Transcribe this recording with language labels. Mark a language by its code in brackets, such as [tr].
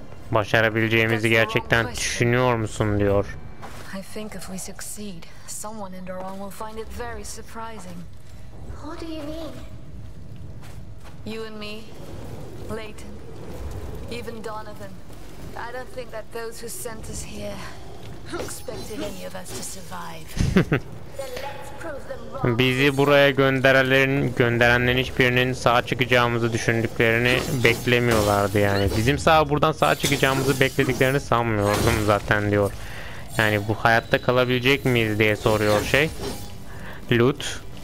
[tr] Başarabileceğimizi gerçekten düşünüyor musun diyor. [en] I think if we succeed, someone in Doron will find it very surprising. What do you mean? You and me, Layton, even Donovan. I don't think that those who sent us here expected any of us to survive. [tr] Bizi buraya gönderenlerin hiçbirinin sağ çıkacağımızı düşündüklerini beklemiyorlardı yani. Bizim buradan sağ çıkacağımızı beklediklerini sanmıyordum zaten diyor. Yani bu hayatta kalabilecek miyiz diye soruyor şey. Loot.